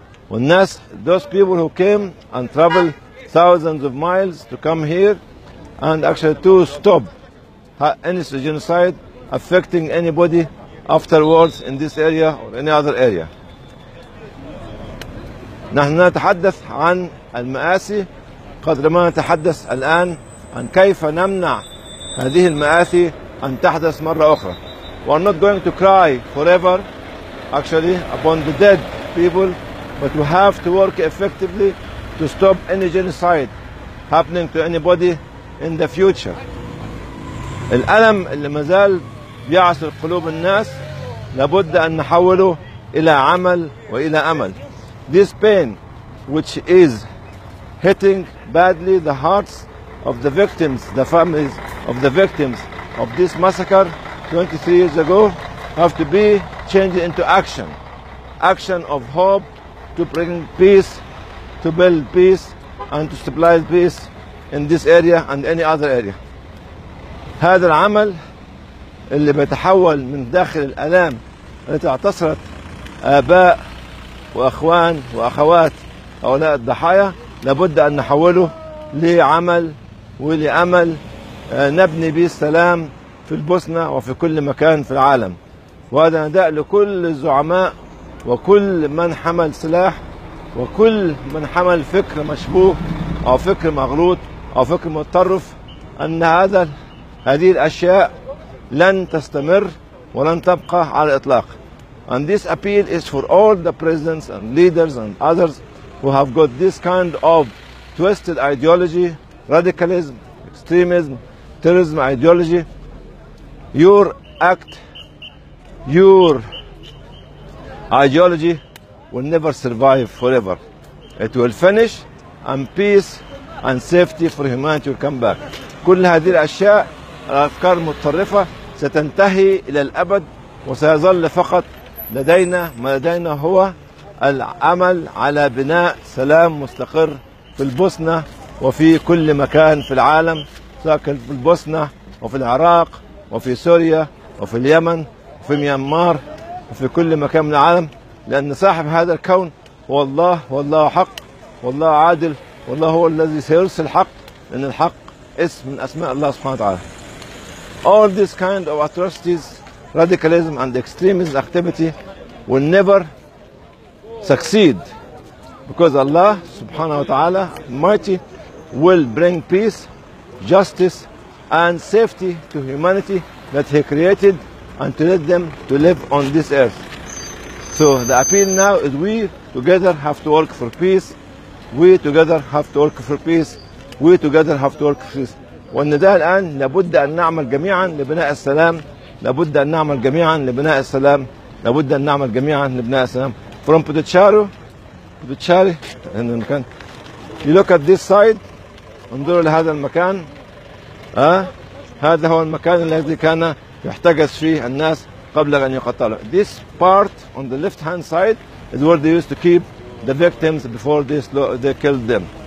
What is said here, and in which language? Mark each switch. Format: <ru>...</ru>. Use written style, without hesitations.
<ar>والناس</ar> <en>those people who came and traveled thousands of miles to come here and actually to stop any genocide affecting anybody afterwards in this area or any other area.</en> <ar>نحن نتحدث عن المآسي قدر ما نتحدث الآن عن كيف نمنع هذه المآسي أن تحدث مرة أخرى.</ar> <en>We are not going to cry forever actually upon the dead people, but we have to work effectively to stop any genocide happening to anybody in the future.</en> <ar>الألم اللي مازال بيعصر قلوب الناس لابد أن نحوله إلى عمل وإلى أمل.</ar> <en>This pain which is hitting badly the hearts of the victims, the families of the victims of this massacre 23 years ago have to be changed into action. Action of hope to bring peace, to build peace and to stabilize peace in this area and any other area.</en> <ar>هذا العمل اللي بيتحول من داخل الآلام التي اعتصرت آباء وأخوان وأخوات هؤلاء الضحايا لابد أن نحوله لعمل ولأمل نبني به السلام في البوسنة وفي كل مكان في العالم. وهذا نداء لكل الزعماء وكل من حمل سلاح وكل من حمل فكر مشبوه أو فكر مغلوط أو فكر متطرف أن هذه الأشياء لن تستمر ولن تبقى على الإطلاق.</ar> <en>And this appeal is for all the presidents and leaders and others who have got this kind of twisted ideology, radicalism, extremism, terrorism ideology. Your act, your ideology will never survive forever. It will finish and peace and safety for humanity will come back.</en> <ar>كل هذه الأشياء الأفكار المتطرفة ستنتهي إلى الأبد وسيظل فقط لدينا ما لدينا هو العمل على بناء سلام مستقر في البوسنة وفي كل مكان في العالم، ساكن في البوسنة وفي العراق وفي سوريا وفي اليمن وفي ميانمار وفي كل مكان من العالم، لأن صاحب هذا الكون هو الله، والله حق، والله عادل، والله هو الذي سيرسل الحق، لأن الحق اسم من أسماء الله سبحانه وتعالى.</ar> <en>All these kind of atrocities, radicalism and extremism activity will never succeed because Allah subhanahu wa ta'ala mighty will bring peace, justice and safety to humanity that he created and to let them to live on this earth. So the appeal now is we together have to work for peace. We together have to work for peace. We together have to work for peace.</en> <ar>والنداء الآن لابد أن نعمل جميعا لبناء السلام. لابد أن نعمل جميعا لبناء السلام. لابد أن نعمل جميعا لبناء السلام.</ar> <en>From Potoczari, Potoczari, in the</en> <ar>المكان.</ar> <en>You look at this side.</en> <ar>انظروا لهذا المكان. هذا هو المكان الذي كان يحتجز فيه الناس قبل أن يقتلوا.</ar> <en>This part on the left hand side is where they used to keep the victims before they killed them.</en>